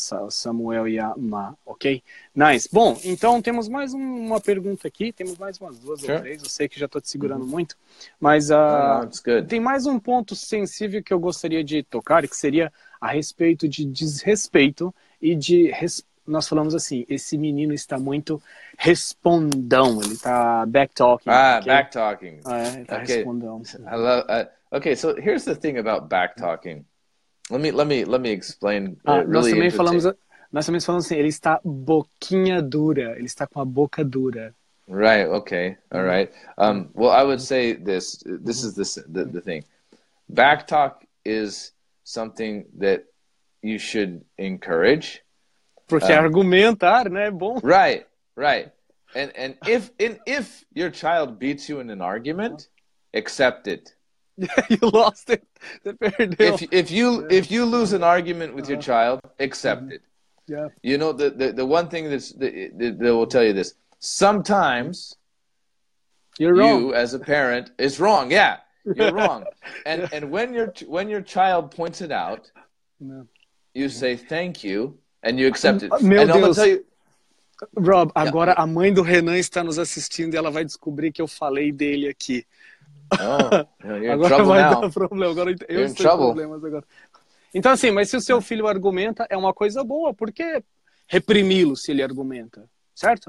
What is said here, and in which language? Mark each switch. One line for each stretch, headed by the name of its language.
Portuguese: Samuel e a Ma, ok? Nice. Bom, então temos mais uma pergunta aqui, temos mais umas duas ou três, eu sei que já tô te segurando muito, mas tem mais um ponto sensível que eu gostaria de tocar, que seria a respeito de desrespeito e de nós falamos assim, esse menino está muito respondão, ele está backtalking.
English: Backtalking.
Portuguese: Ele está respondão.
English: So here's the thing about backtalking. Let me explain. Really,
Portuguese: nós também falamos assim, ele está boquinha dura, ele está com a boca dura.
English: Right, okay, all right. Well, I would say this is the thing. Backtalk is something that you should encourage.
Portuguese: Porque argumentar, né? É bom.
English: Right, right. And if your child beats you in an argument, accept it. You lost it. They
Portuguese: perdeu.
English: If you lose an argument with your child, accept it. Yeah. You know, the one thing that's that will tell you this. Sometimes you're wrong. You as a parent is wrong. Yeah. You're wrong. And when your child points it out, you say thank you. And you accept it.
Portuguese: Meu
English: and
Portuguese: Deus.
English: I'm gonna tell
Portuguese: Rob, agora a mãe do Renan está nos assistindo e ela vai descobrir que eu falei dele aqui. Agora vai dar problema. Então, assim, mas se o seu filho argumenta, é uma coisa boa, porque reprimi-lo se ele argumenta, certo?